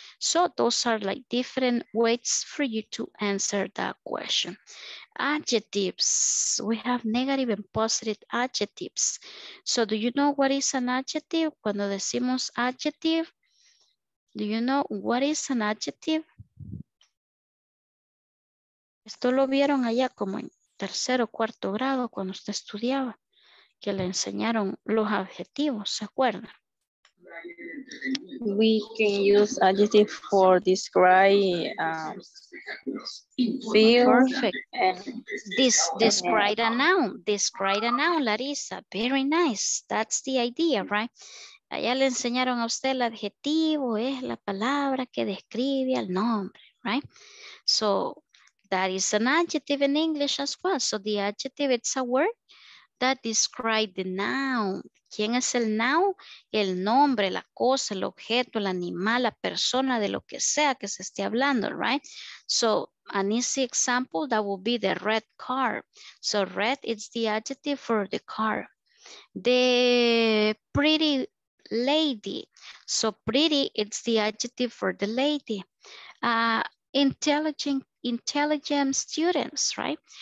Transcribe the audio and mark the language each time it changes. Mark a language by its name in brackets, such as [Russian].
[English] So those are like different ways for you to answer that question. Adjectives, we have negative and positive adjectives. So do you know what is an adjective? [Spanish] Cuando decimos [English] adjective, do you know what is an adjective? [Spanish] Esto lo vieron allá como en tercero o cuarto grado cuando usted estudiaba, que le enseñaron los adjetivos, ¿se acuerda? [English] We can use adjective for describe feel. Perfect. Describe a noun. Describe a noun, Larissa. Very nice. That's the idea, right? [Spanish] Allá le enseñaron a usted el adjetivo, es la palabra que describe al nombre, right? [English] So that is an adjective in English as well. So the adjective, it's a word that describes the noun. [Spanish] ¿Quién es el noun? El nombre, la cosa, el objeto, el animal, la persona, de lo que sea que se esté hablando, right? [English] So an easy example, that would be the red car. So red is the adjective for the car. The pretty lady. So pretty, it's the adjective for the lady. Intelligent students, right?